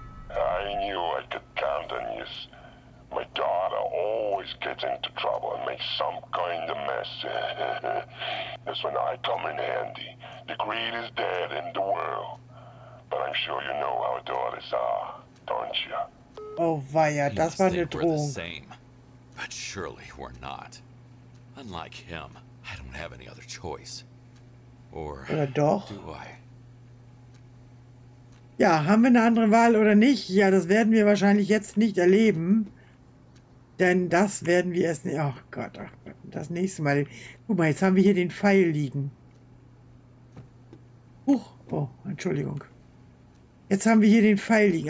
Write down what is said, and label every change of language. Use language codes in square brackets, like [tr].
[en] I knew I could count on you. My daughter always gets into trouble and makes some kind of mess. That's when I come in handy. The greed is dead in the world. But I'm sure you know how daughters are, don't you? [de] Oh, weia, das war eine Drohung. [en] The same, but surely we're not. Unlike him, I don't have any other choice. [de] Oder doch? Ja, haben wir eine andere Wahl oder nicht? Ja, das werden wir wahrscheinlich jetzt nicht erleben. Denn das werden wir erst... Ach Gott, das nächste Mal. Guck mal, jetzt haben wir hier den Pfeil liegen. Huch, oh, Entschuldigung. Jetzt haben wir hier den Pfeil liegen.